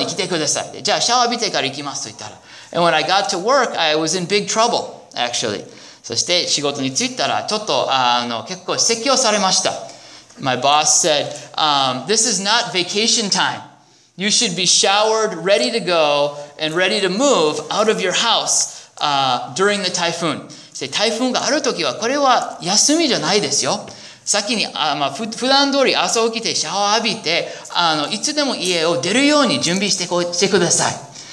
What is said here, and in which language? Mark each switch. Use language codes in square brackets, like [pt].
[ja] そして、台風が終わったら電話して、じゃあ、職場に来てください。じゃあ、シャワー浴びてから行きますと言ったら。 [en] And when I got to work, I was in big trouble, actually. [ja] そして仕事に着いたら、ちょっと結構説教されました。 [en] My boss said, this is not vacation time. You should be showered, ready to go, and ready to move out of your house during the typhoon. [ja] そして台風がある時はこれは休みじゃないですよ。先に普段通り朝起きてシャワー浴びて、いつでも家を出るように準備してください。